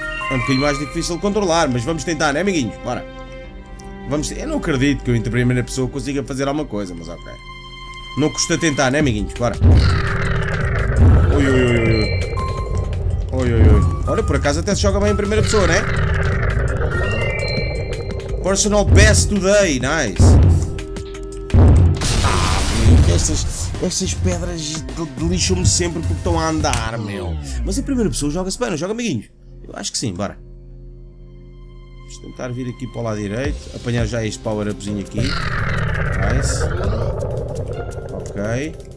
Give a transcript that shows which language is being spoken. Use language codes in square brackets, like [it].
[pt] É um bocadinho mais difícil de controlar, mas vamos tentar, né, amiguinhos? Bora. Vamos. Eu não acredito que eu, em primeira pessoa, consiga fazer alguma coisa, mas ok. Não custa tentar, né, amiguinhos? Bora. Oi, oi, oi, oi. Oi, oi, oi. Olha, por acaso até se joga bem em primeira pessoa, né? [en] Personal best today, nice. [pt] Ah, estas pedras lixam-me sempre porque estão a andar, meu. Mas em primeira pessoa joga-se bem, não joga, amiguinho? Eu acho que sim, bora. Vamos tentar vir aqui para o lado direito, apanhar já este power-upzinho aqui. Nice. Ok.